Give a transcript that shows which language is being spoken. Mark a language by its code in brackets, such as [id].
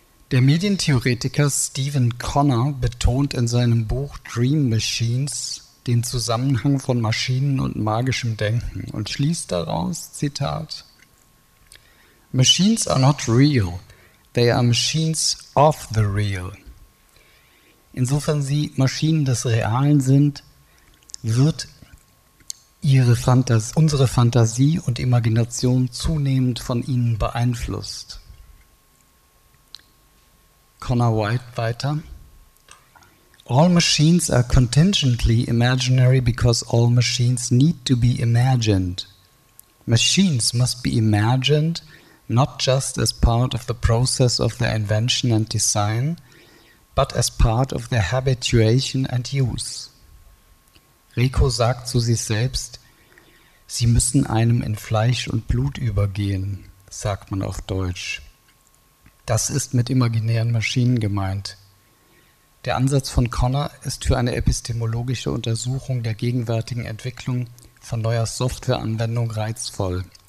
[de] Der Medientheoretiker Stephen Connor betont in seinem Buch Dream Machines den Zusammenhang von Maschinen und magischem Denken und schließt daraus, Zitat, [en] Machines are not real. They are machines of the real. [de] Insofern sie Maschinen des Realen sind, wird unsere Fantasie und Imagination zunehmend von ihnen beeinflusst. Connor White weiter. [en] All machines are contingently imaginary because all machines need to be imagined. Machines must be imagined not just as part of the process of their invention and design, but as part of their habituation and use. [de] Reiko sagt zu sich selbst, sie müssen einem in Fleisch und Blut übergehen, sagt man auf Deutsch. Das ist mit imaginären Maschinen gemeint. Der Ansatz von Connor ist für eine epistemologische Untersuchung der gegenwärtigen Entwicklung von neuer Softwareanwendung reizvoll.